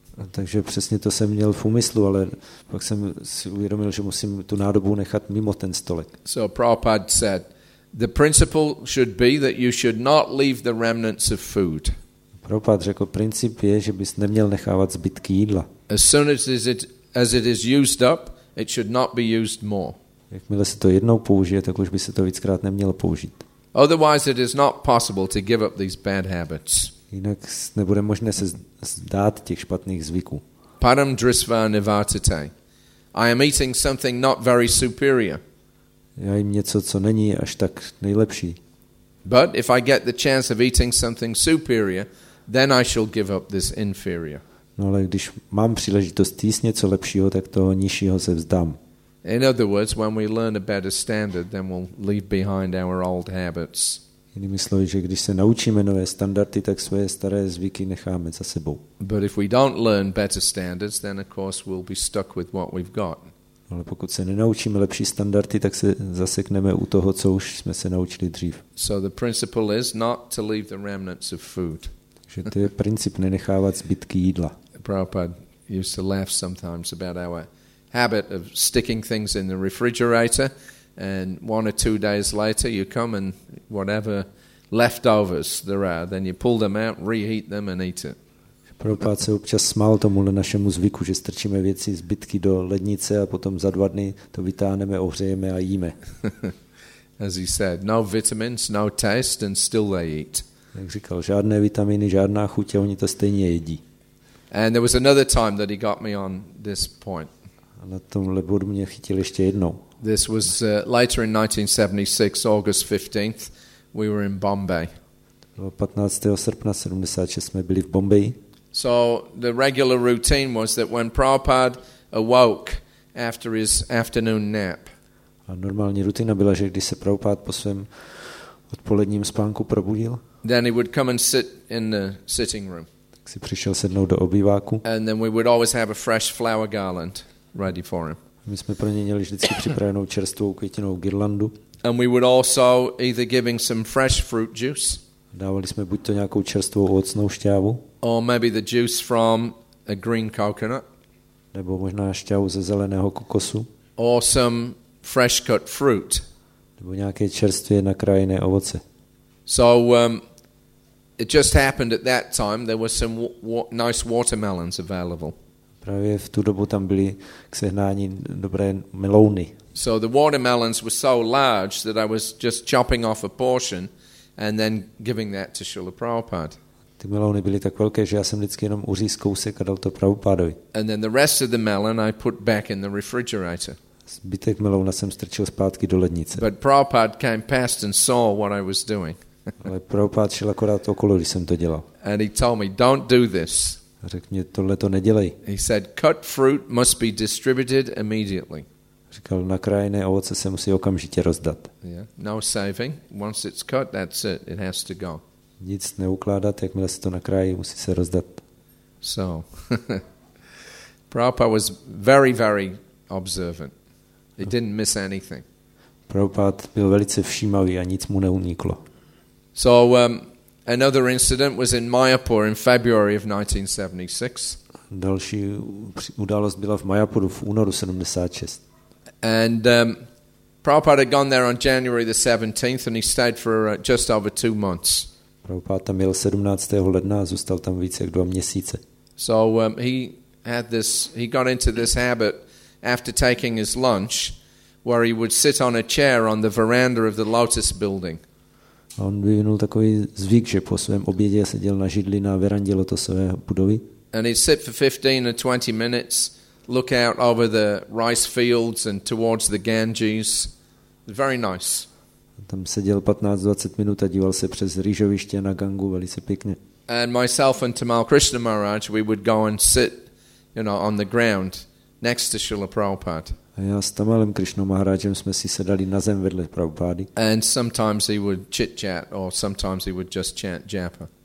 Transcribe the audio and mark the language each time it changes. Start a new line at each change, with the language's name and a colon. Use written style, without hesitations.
Czech: Takže přesně to jsem měl v úmyslu, ale pak jsem si uvědomil, že musím tu nádobu nechat mimo ten stolek.
English: So Prabhupada said, the principle should be that you should not leave the remnants of food.
Czech: Prabhupada řekl, princip je, že bys neměl nechávat zbytky jídla.
English: As soon as it is used up, it should not be used more.
Czech: Jakmile se to jednou použije, tak už by se to víckrát nemělo použít.
English: Otherwise it is not possible to give up these bad habits.
Czech: Jinak nebude možné se zdát těch špatných zvyků.
Sanskrit: Param drisva nivartite.
English: I am eating something not very superior.
Czech: Já jim něco, co není až tak nejlepší.
English: But if I get the chance of eating something superior, then I shall give up this inferior.
Czech: No ale když mám příležitost jíst něco lepšího, tak toho nižšího se vzdám.
English: In other words, when we learn a better standard, then we'll leave behind our old habits.
Czech: Jinými slovy, že když se naučíme nové standardy, tak své staré zvyky necháme za sebou.
English: But if we don't learn better standards, then of course we'll be stuck with what we've got.
Czech: Ale pokud se nenaučíme lepší standardy, tak se zasekneme u toho, co už jsme se naučili dřív.
English: So the principle is not to leave the remnants of food.
Czech: Takže to je princip nenechávat zbytky jídla.
English: Prabhupada used to laugh sometimes about our habit of sticking things in the refrigerator. And one or two days later, you come and whatever leftovers there are, then you pull them out, reheat them and eat it.
Czech: Prabhupada se občas smál tomuhle našemu zvyku, že strčíme věci zbytky do lednice a potom za dva dny to vytáhneme, ohřejeme a jíme.
English: As he said, no vitamins, no taste and still they eat.
Czech: Jak říkal, žádné vitaminy, žádná chuť a oni to stejně jedí.
English: And there was another time that he got me on this point.
Czech: A na tomhle bodu mě chytil ještě jednou.
English: This was later in 1976, August 15th, we were in Bombay.
Czech: 15. srpna 76 jsme byli v Bombaji.
English: So the regular routine was that when Prabhupada awoke after his afternoon nap.
Czech: A normální rutina byla, že když se Prabhupada po svém odpoledním spánku probudil.
English: Then he would come and sit in the sitting room.
Czech: Tak si přišel sednout do obýváku.
English: And then we would always have a fresh flower garland ready for him.
Czech: My jsme pro ně měli vždycky připravenou čerstvou květinovou girlandu.
English: And we would also either giving some fresh fruit juice.
Czech: Dávali jsme buď to nějakou čerstvou ovocnou šťávu.
English: Or maybe the juice from a green coconut.
Czech: Nebo možná šťávu ze zeleného kokosu.
English: Or some fresh cut fruit.
Czech: Nebo nějaké čerstvě nakrájené ovoce.
English: So it just happened at that time there were some nice watermelons available.
Czech: Právě v tu dobu tam byly k sehnání dobré melouny.
English: So the watermelons were so large that I was just chopping off a portion and then giving that to Srila Prabhupada.
Czech: Ty melouny byly tak velké, že já jsem vždycky jenom uříz kousek a dal to Prabhupádovi.
English: And then the rest of the melon I put back in the refrigerator.
Czech: Zbytek melouna jsem strčil zpátky do lednice.
English: But Prabhupada came past and saw what I was doing.
Czech: Ale Prabhupád šel akorát okolo, když jsem to dělal.
English: And he told me, don't do this.
Czech: Řekl mi, tohle to nedělej.
English: He said, cut fruit must be distributed immediately.
Czech: Říkal, nakrájené ovoce se musí okamžitě rozdat.
English: Yeah. No saving. Once it's cut, that's it. It has to go.
Czech: Nic neukládat, jakmile se to nakrájí, musí se rozdat.
English: So, Prabhupada was very, very observant. He didn't miss anything.
Czech: Prabhupád byl velice všímavý a nic mu neuniklo.
English: So, another incident was in Mayapur in February of 1976.
Czech: Další událost byla v Mayapuru v únoru 76.
English: And Prabhupada had gone there on January the 17th and he stayed for just over 2 months.
Czech: Prabhupada tam jel 17. ledna a zůstal tam více jak 2 měsíce.
English: So he got into this habit after taking his lunch where he would sit on a chair on the veranda of the Lotus building.
Czech: A on vyvinul takový zvyk, že po svém obědě seděl na židli na verandě lotosové budovy.
English: And he'd sit for 15 or 20 minutes, look out over the rice fields and towards the Ganges. Very nice.
Czech: Tam seděl 15-20 minut a díval se přes rýžoviště na Gangu, velice pěkně.
English: And myself and Tamal Krishna Maharaj, we would go and sit, you know, on the ground next to Srila Prabhupada.
Czech: A já s Tamalem Krishna Maharajem jsme si sedali na zem vedle Prabhupády.
English: And sometimes he would chit-chat or sometimes he would just chant japa.